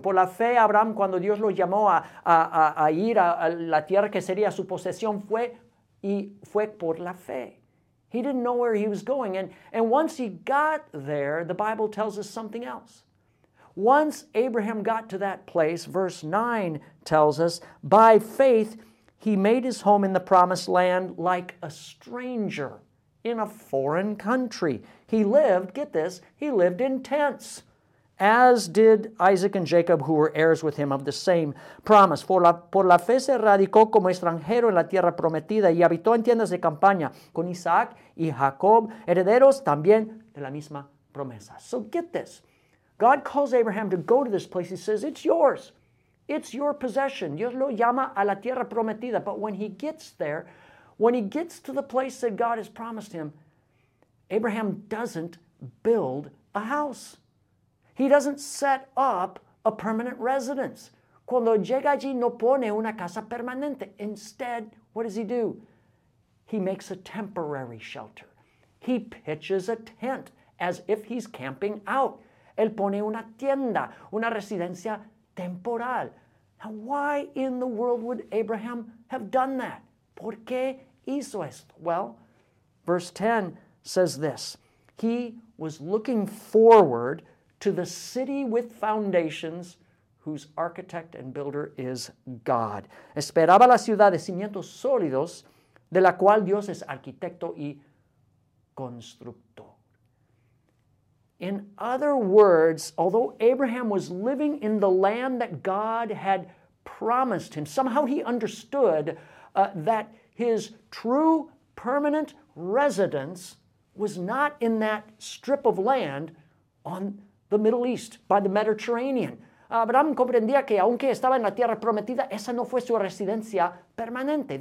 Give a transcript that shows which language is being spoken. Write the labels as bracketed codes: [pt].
[es] Por la fe, Abraham, cuando Dios lo llamó a ir a la tierra que sería su posesión, fue por la fe. [en] He didn't know where he was going. And once he got there, the Bible tells us something else. Once Abraham got to that place, verse 9 tells us, by faith he made his home in the promised land like a stranger in a foreign country. He lived, get this, he lived in tents, as did Isaac and Jacob, who were heirs with him of the same promise. [es] Por la fe se radicó como extranjero en la tierra prometida y habitó en tiendas de campaña con Isaac y Jacob, herederos también de la misma promesa. [en] So get this. God calls Abraham to go to this place. He says, it's yours. It's your possession. [es] Dios lo llama a la tierra prometida. [en] But when he gets there, when he gets to the place that God has promised him, Abraham doesn't build a house. He doesn't set up a permanent residence. [es] Cuando llega allí, no pone una casa permanente. [en] Instead, what does he do? He makes a temporary shelter. He pitches a tent as if he's camping out. [es] Él pone una tienda, una residencia temporal. [en] Now, why in the world would Abraham have done that? [es] ¿Por qué hizo esto? [en] Well, verse 10 says this. He was looking forward to the city with foundations, whose architect and builder is God. [es] Esperaba la ciudad de cimientos sólidos, de la cual Dios es arquitecto y constructor. [en] In other words, although Abraham was living in the land that God had promised him, somehow he understood that his true permanent residence was not in that strip of land on the Middle East, by the Mediterranean. [es] Abraham comprendía que aunque estaba en la tierra prometida, esa no fue su residencia permanente.